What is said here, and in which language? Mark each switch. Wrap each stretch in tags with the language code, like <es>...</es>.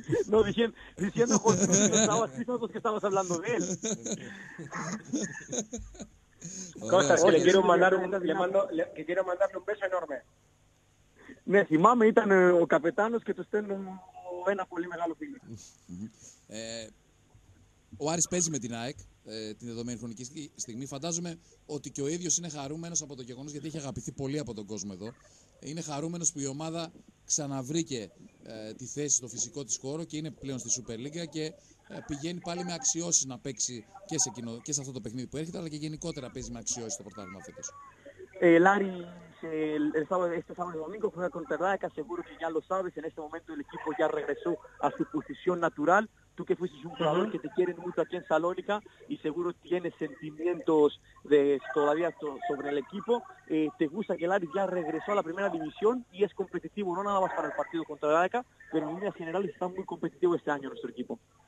<es>No, diciendo Jodrulis, ¿qué estabas hablando de él? Κώστα,</es> <el>ωραία, και και</el> <es>quiero mandarle un beso enorme.</es> <el>Ναι, θυμάμαι, ήταν ο καπετάνος και του στέλνω ένα πολύ μεγάλο φίλο. Ο Άρης παίζει με την ΑΕΚ την δεδομένη χρονική στιγμή. Φαντάζομαι ότι και ο ίδιος είναι χαρούμενος από το γεγονός, γιατί έχει αγαπηθεί πολύ από τον κόσμο εδώ. Είναι χαρούμενος που η ομάδα ξαναβρήκε τη θέση στο φυσικό της χώρο και είναι πλέον στη Super League και πηγαίνει πάλι με αξιώσεις να παίξει και σε, κοινο, και σε αυτό το παιχνίδι που έρχεται, αλλά και γενικότερα παίζει με αξιώσεις το πρωτάθλημα φέτος.</el> <es>Λάρι, este sábado y domingo juega contra Raek, aseguro que ya lo sabes, en este momento el equipo ya regresó a su posición natural, tú que fuiste un jugador que te quieren mucho aquí en Salónica y seguro tienes sentimientos de, todavía sobre el equipo, te gusta que Lari ya regresó a la primera división y es competitivo, no nada más para el partido contra Raek, pero en líneas generales está muy competitivo este año nuestro equipo.</es>